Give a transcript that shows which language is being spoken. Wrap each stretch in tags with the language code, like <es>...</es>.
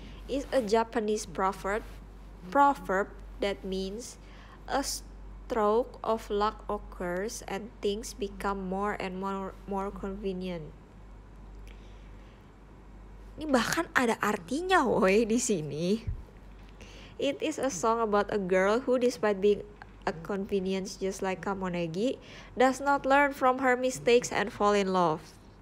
<en>Is a Japanese proverb that means a stroke of luck occurs and things become more and more convenient.</en> <id>Ini bahkan ada artinya, woi, di sini.</id> <en>It is a song about a girl who, despite being a convenience just like Kamonegi, does not learn from her mistakes and fall in love.</en>